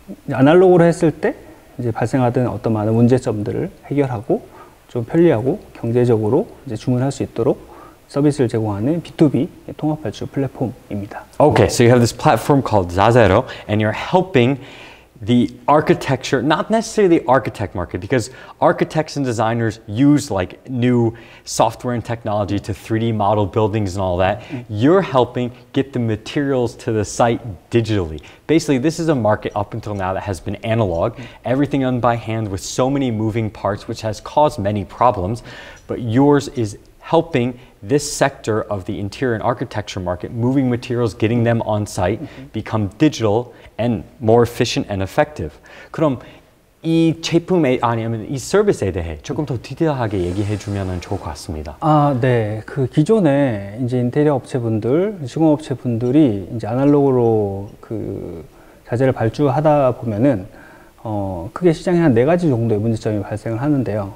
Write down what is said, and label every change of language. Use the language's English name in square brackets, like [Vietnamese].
[Korean] 아날로그로 했을 때, 이제 발생하던 어떤 많은 문제점들을 해결하고, 좀 편리하고 경제적으로 이제 주문할 수 있도록, 서비스를 제공하는 B2B 통합 발주 플랫폼입니다. [English] Okay, so you have this platform called Zazero and you're helping the architecture, not necessarily the architect market because architects and designers use like new software and technology to 3D model buildings and all that. You're helping get the materials to the site digitally. Basically, this is a market up until now that has been analog, everything done by hand with so many moving parts, which has caused many problems, but yours is helping this sector of the interior and architecture market, moving materials, getting them on site, mm-hmm. become digital and more efficient and effective. [Korean] 그럼 이 제품에 아니면 이 서비스에 대해 조금 더 디테일하게 얘기해 주면은 좋을 것 같습니다. 아, 네. 그 기존에 이제 인테리어 업체분들, 시공 업체분들이 이제 아날로그로 그 자재를 발주하다 보면은 크게 시장에 한 네 가지 정도의 문제점이 발생을 하는데요.